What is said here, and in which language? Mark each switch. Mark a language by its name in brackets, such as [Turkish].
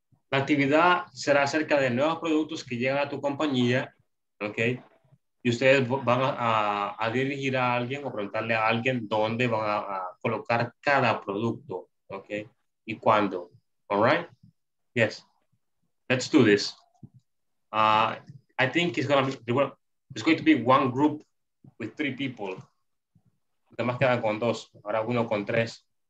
[Spanish] La actividad será acerca de nuevos productos que llegan a tu compañía, okay? Y ustedes van a dirigir a alguien o preguntarle a alguien dónde van a colocar cada producto, okay? Y cuándo, [English] all right? Yes, let's do this. I think it's gonna be, it's going to be one group with three people. [Spanish] Además quedan con dos, ahora uno con tres.